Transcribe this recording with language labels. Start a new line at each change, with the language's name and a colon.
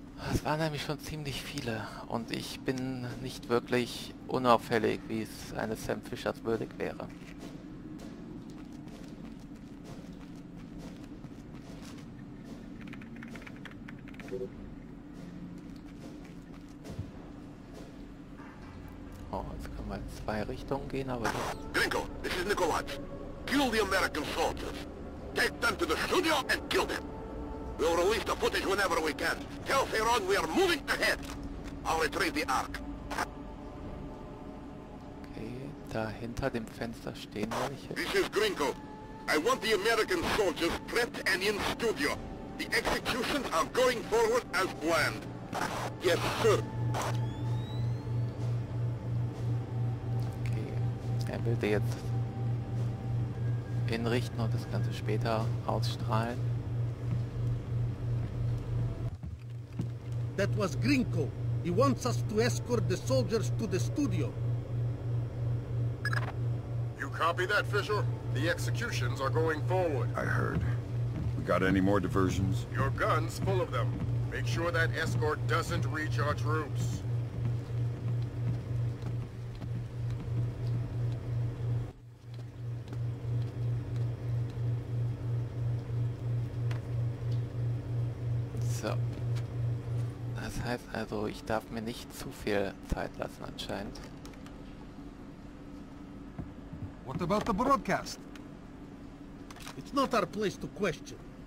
German: Es waren nämlich schon ziemlich viele und ich bin nicht wirklich unauffällig, wie es eines Sam Fishers würdig wäre. Oh, jetzt können wir in zwei Richtungen gehen, aber...
English: Gringo, this is Nikolaj. Kill the American soldiers. Take them to the studio and kill them. We'll release the footage whenever we can. Tell Theron we are moving ahead. I'll retrieve the Ark.
German: Okay, da hinter dem Fenster stehen wir nicht.
English: This is Gringo. I want the American soldiers prepped and in studio. The executions are going forward as planned. Yes, sir.
German: Okay, er will die jetzt hinrichten und das Ganze später ausstrahlen.
English: That was Gringo. He wants us to escort the soldiers to the studio. You copy that, Fisher? The executions are going forward. I heard. Got any more diversions? Your gun's full of them. Make sure that escort doesn't reach our troops. So.
German: Das heißt also, ich darf mir nicht zu viel Zeit lassen anscheinend.
English: What about the broadcast? It's not our place to question.